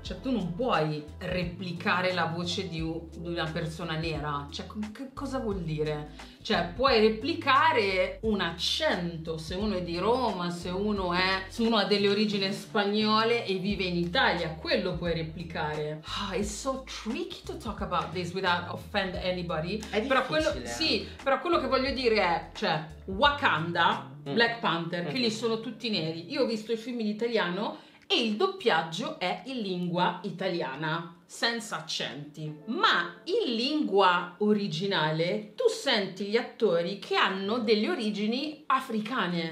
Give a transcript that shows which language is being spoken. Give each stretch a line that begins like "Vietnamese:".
Italian: Cioè, tu non puoi replicare la voce di una persona nera. Cioè, che cosa vuol dire? Cioè, puoi replicare un accento, se uno è di Roma, se uno ha delle origini spagnole e vive in Italia, quello puoi replicare.
English: Ah, it's so tricky to talk about this without offend anybody.
Italian: È difficile. Però quello, sì, però quello che voglio dire è, cioè, Wakanda, Black Panther, che lì sono tutti neri. Io ho visto il film in italiano e il doppiaggio è in lingua italiana, senza accenti. Ma in lingua originale tu senti gli attori che hanno delle origini africane.